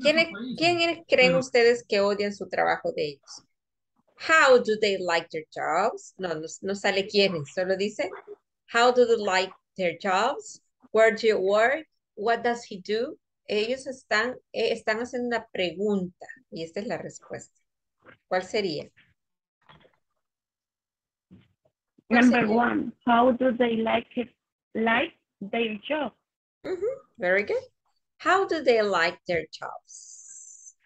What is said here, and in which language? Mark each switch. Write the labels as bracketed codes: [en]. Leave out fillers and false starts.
[es] ¿Quiénes creen ustedes que odian su trabajo de ellos? [en] How do they like their jobs? [es] No sale quiénes, solo dice [en] how do they like their jobs? Where do you work? What does he do? [es] Ellos están haciendo una pregunta y esta es la respuesta. ¿Cuál sería? [en] Number one, how do they like their job? Mm-hmm. Very good. How do they like their jobs?